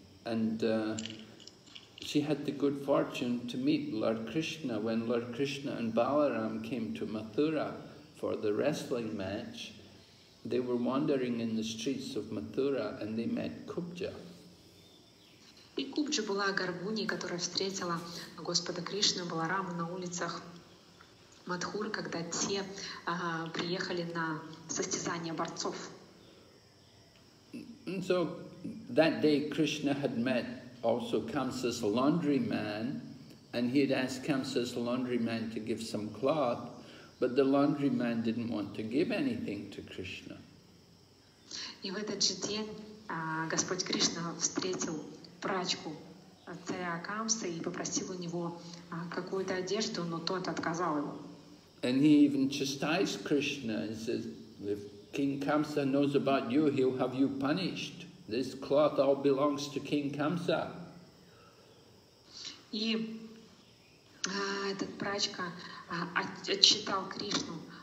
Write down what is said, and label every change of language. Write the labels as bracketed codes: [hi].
[en] And she had the good fortune to meet Lord Krishna when Lord Krishna and Balaram came to Mathura for the wrestling match. They were wandering in the streets of Mathura and they met Kubja. [ru] И Кубджа была горбуней, которая встретила Господа Кришну и Баларама на улицах Мадхуры, когда те приехали на состязание борцов. [en] So that day Krishna had met also Kamsa's laundry man, and he had asked Kamsa's laundry man to give some cloth, but the laundry man didn't want to give anything to Krishna. [ru] И в этот же день Господь Кришна встретил прачку царя Камсы и попросил у него какую-то одежду, но тот отказал ему. [en] And he even chastised Krishna and says, if King Kamsa knows about you, he'll have you punished. This cloth all belongs to King Kamsa. [ru] И этот прачка отчитал Кришну.